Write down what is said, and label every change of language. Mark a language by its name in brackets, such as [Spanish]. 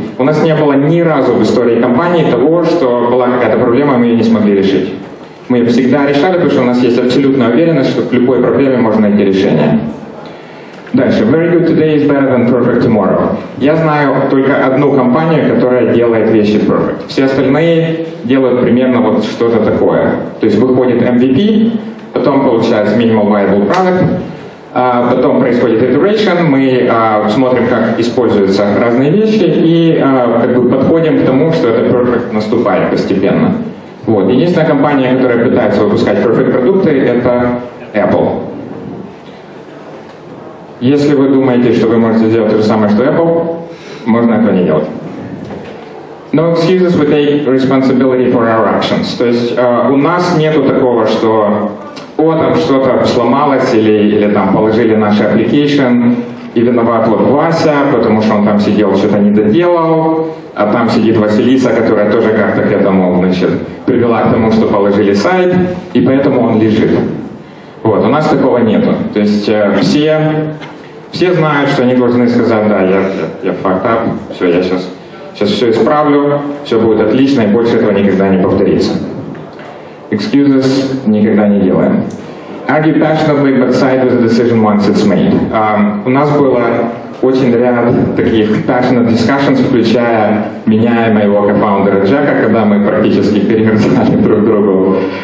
[Russian] У нас не было ни разу в истории компании того, что была какая-то проблема, и мы ее не смогли решить. Мы ее всегда решали, потому что у нас есть абсолютная уверенность, что к любой проблеме можно найти решение. Дальше. [English] Very good today is better than perfect tomorrow. [Russian] Я знаю только одну компанию, которая делает вещи perfect. Все остальные делают примерно вот что-то такое. То есть выходит MVP, потом получается [English] minimal viable product, [Russian] потом происходит iteration, мы смотрим, как используются разные вещи и как бы подходим к тому, что этот perfect наступает постепенно. Вот. Единственная компания, которая пытается выпускать perfect продукты, это Apple. Если вы думаете, что вы можете сделать то же самое, что Apple, можно этого не делать. [English] No excuses, we take responsibility for our actions. [Russian] То есть у нас нету такого, что о, там что-то сломалось или там положили наш application, и виноват вот Вася, потому что он там сидел, что-то не доделал, а там сидит Василиса, которая тоже как-то к этому, значит, привела к тому, что положили сайт, и поэтому он лежит. Вот, у нас такого нету. То есть все знают, что они должны сказать, да, я [English] fucked up, [Russian] все, я сейчас... Сейчас все исправлю, все будет отлично, и больше этого никогда не повторится. Excuses никогда не делаем. [English] Argue passionately, but side with the decision once it's made. [Russian] У нас было очень ряд таких [English] passionate discussions, [Russian] включая меня и моего кофаундера Джека, когда мы практически перемерзали друг другу.